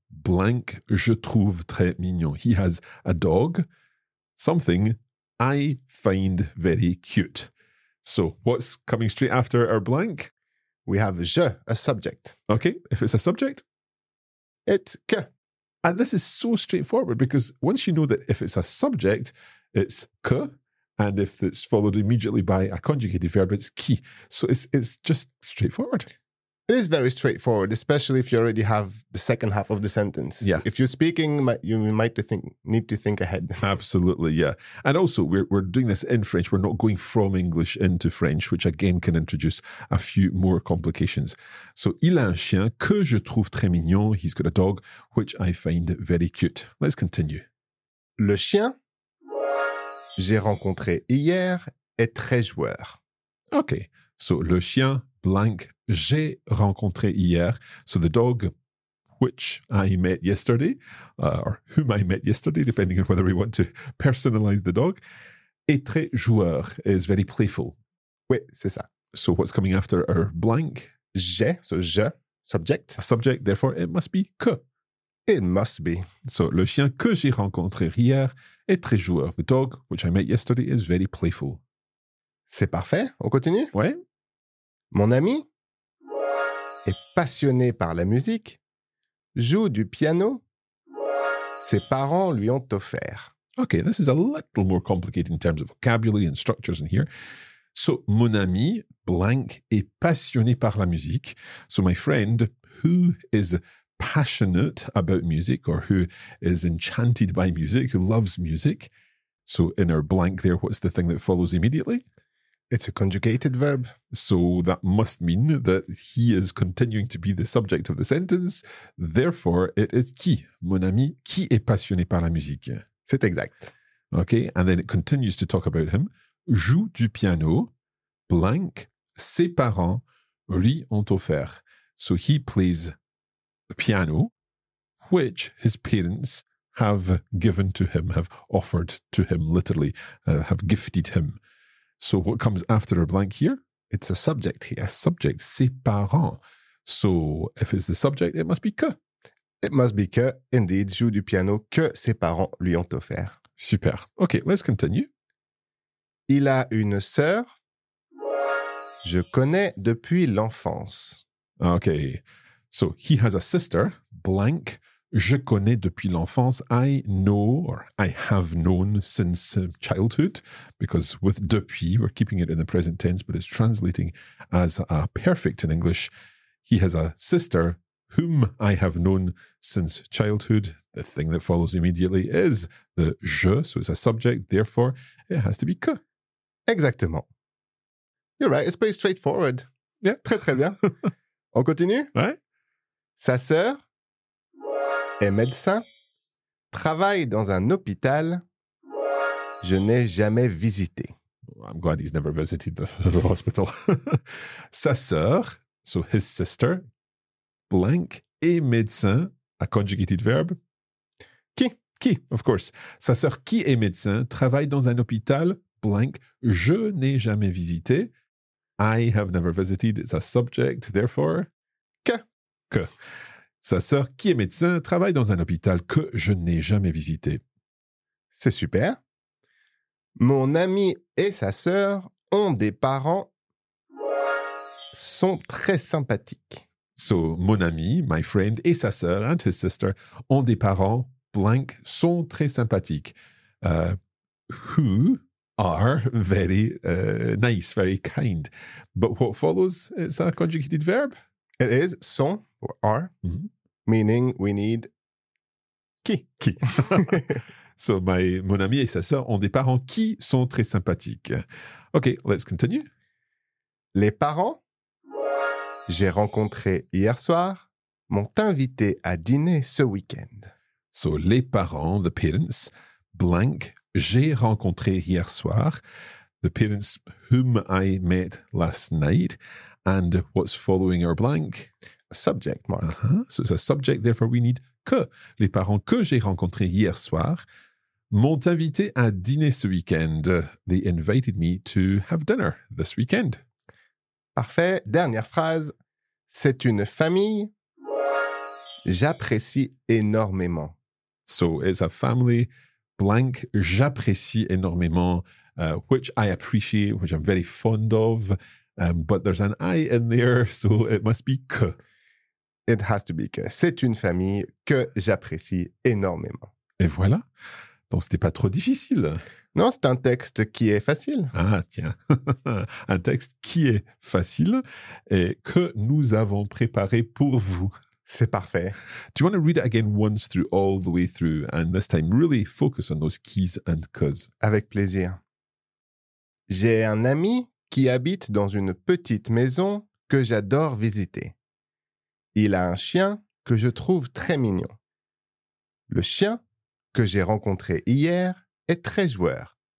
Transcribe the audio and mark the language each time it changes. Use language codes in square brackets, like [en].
[fr] Blank, je trouve très mignon. [en] He has a dog, something I find very cute. So what's coming straight after our blank? We have je, a subject. Okay, if it's a subject? It's que. And this is so straightforward because once you know that if it's a subject, it's que. And if it's followed immediately by a conjugated verb, it's qui. So it's just straightforward. It is very straightforward, especially if you already have the second half of the sentence. Yeah. If you're speaking, you might need to think ahead. Absolutely, yeah. And also, we're doing this in French. We're not going from English into French, which again can introduce a few more complications. [fr] So, il a un chien que je trouve très mignon. [en] He's got a dog, which I find very cute. Let's continue. [fr] Le chien j'ai rencontré hier est très joueur. [en] Okay. So, [fr] le chien... blank, j'ai rencontré hier. [en] So the dog, which I met yesterday, or whom I met yesterday, depending on whether we want to personalize the dog, [fr] est très joueur, [en] is very playful. [fr] Oui, c'est ça. [en] So what's coming after our blank? J'ai, so je, subject. A subject, therefore it must be que. It must be. [fr] So le chien que j'ai rencontré hier est très joueur. [en] The dog, which I met yesterday, is very playful. [fr] C'est parfait, on continue? Oui. Mon ami est passionné par la musique, joue du piano, ses parents lui ont offert. [en] Okay, this is a little more complicated in terms of vocabulary and structures in here. [fr] So, mon ami, blank, est passionné par la musique. [en] So, my friend, who is passionate about music or who is enchanted by music, who loves music. So, in our blank there, what's the thing that follows immediately? It's a conjugated verb. So that must mean that he is continuing to be the subject of the sentence. Therefore, it is [fr] qui, mon ami, qui est passionné par la musique. C'est exact. [en] Okay, and then it continues to talk about him. [fr] Joue du piano, blank, ses parents lui ont offert. [en] So he plays the piano, which his parents have given to him, have offered to him, literally, have gifted him. So what comes after a blank here? It's a subject here. A subject, ses parents. So if it's the subject, it must be que. It must be [fr] que, [en] indeed, [fr] joue du piano que ses parents lui ont offert. [en] Super. Okay, let's continue. [fr] Il a une sœur. Je connais depuis l'enfance. [en] Okay. So he has a sister, blank. [fr] Je connais depuis l'enfance, [en] I know, or I have known since childhood, because with depuis, we're keeping it in the present tense, but it's translating as a perfect in English. He has a sister whom I have known since childhood. The thing that follows immediately is the je, so it's a subject, therefore it has to be que. [fr] Exactement. [en] You're right, it's pretty straightforward. Yeah, [fr] très très bien. On continue? [en] Right. [fr] Sa sœur est médecin, travaille dans un hôpital, je n'ai jamais visité. [en] I'm glad he's never visited the hospital. [fr] Sa sœur, [en] so his sister, blank, [fr] est médecin, [en] a conjugated verb. [fr] Qui, [en] of course. [fr] Sa sœur qui est médecin, travaille dans un hôpital, blank, je n'ai jamais visité. [en] I have never visited, it's a subject, therefore. [fr] Que. Sa sœur, qui est médecin, travaille dans un hôpital que je n'ai jamais visité. C'est super. Mon ami et sa sœur ont des parents sont très sympathiques. So, mon ami, [en] my friend, [fr] et sa sœur, [en] and his sister, [fr] ont des parents, blank, sont très sympathiques. Who, [en] are very nice, very kind. But what follows, it's a conjugated verb. It is sont, or are, meaning we need qui. [fr] Qui. So my mon ami et sa sœur ont des parents qui sont très sympathiques. [en] Okay, let's continue. [fr] Les parents, j'ai rencontré hier soir, m'ont invité à dîner ce week-end. [en] So les parents, the parents, blank, [fr] j'ai rencontré hier soir, [en] the parents whom I met last night, and what's following our blank? A subject, Mark. Uh-huh. So it's a subject, therefore we need que. [fr] Les parents que j'ai rencontrés hier soir m'ont invité à dîner ce week-end. [en] They invited me to have dinner this weekend. [fr] Parfait. Dernière phrase. C'est une famille. J'apprécie énormément. [en] So it's a family, blank, [fr] j'apprécie énormément, [en] which I appreciate, which I'm very fond of, but there's an I in there, so it must be que. It has to be que. [fr] C'est une famille que j'apprécie énormément. Et voilà. Donc, c'était pas trop difficile. Non, c'est un texte qui est facile. Ah, tiens. Un texte qui est facile et que nous avons préparé pour vous. C'est parfait. [en] Do you want to read it again once through, all the way through, and this time really focus on those keys and cos? [fr] Avec plaisir. J'ai un ami qui habite dans une petite maison que j'adore visiter. Il a un chien que je trouve très mignon. Le chien que j'ai rencontré hier est très joueur.